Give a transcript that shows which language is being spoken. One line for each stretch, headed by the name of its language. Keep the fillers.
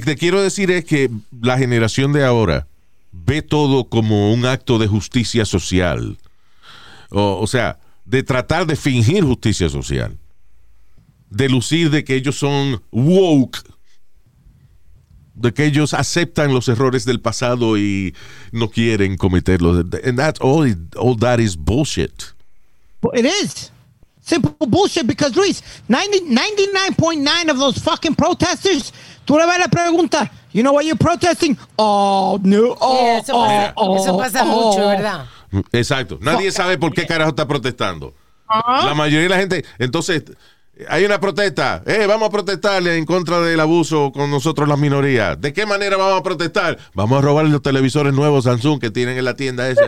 Spanish: te quiero decir es que la generación de ahora ve todo como un acto de justicia social. O, o, sea, de tratar de fingir justicia social. De lucir de que ellos son woke. De que ellos aceptan los errores del pasado y no quieren cometerlos.
English: And that's all, all that is bullshit. It is simple bullshit because Luis, 99.9 of those fucking protesters,
Spanish: tú le vas a preguntar
English: you know why you're protesting? Oh, no.
Spanish: Oh, sí, eso, oh, pasa, oh, eso pasa, eso mucho, ¿verdad? Exacto. Nadie sabe por qué carajo está protestando. Uh -huh. La mayoría de la gente, entonces hay una protesta, eh, hey, vamos a protestarle en contra del abuso con nosotros las minorías. ¿De qué manera vamos a protestar? Vamos a robar los televisores nuevos Samsung que tienen en la tienda esa.